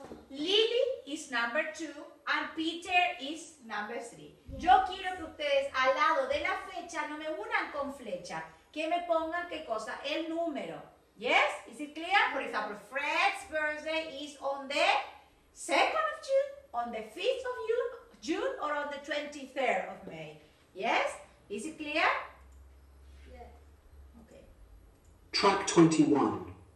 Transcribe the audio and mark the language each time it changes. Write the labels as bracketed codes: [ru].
[en] Lily is number two and Peter is number three. Yes. [es] Yo quiero que ustedes al lado de la fecha no me unan con flecha. Que me pongan qué cosa, el número. [en] Yes? Is it clear? For example, Fred's birthday is on the 2nd of June, on the 5th of June, or on the 23rd of May. Yes? Is it clear? Yeah. Okay. Track 21.